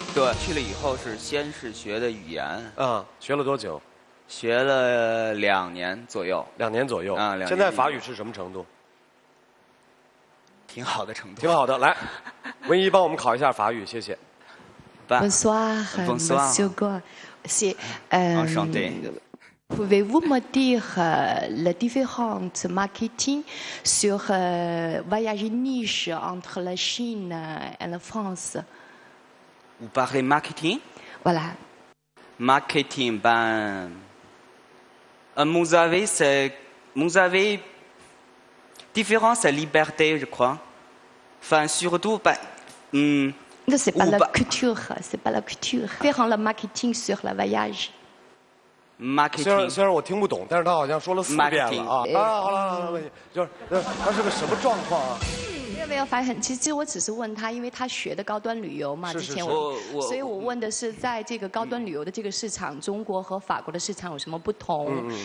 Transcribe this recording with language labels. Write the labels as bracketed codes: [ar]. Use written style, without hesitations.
[zh] 对，去了以后是先是学的语言。学了多久？学了2年左右。 2年左右。两年。现在法语是什么程度？挺好的程度。挺好的，来，文姨帮我们考一下法语，谢谢。 [fr] Bonsoir, Monsieur Guo，c'est enchanté。 Pouvez-vous me dire la différence marketing sur voyage niche entre la Chine et la France? Vous parlez marketing? Voilà. Marketing, ben, vous avez différence, liberté, je crois. Enfin, surtout, ben, Non, c'est pas la culture. C'est pas la culture. Différent le marketing sur le voyage. Marketing. [zh] 虽然我听不懂，但是他好像说了4遍了啊！好了，就是他是个什么状况啊？没有发现，其实我只是问他，因为他学的高端旅游嘛，之前我所以我问的是在这个高端旅游的这个市场，中国和法国的市场有什么不同。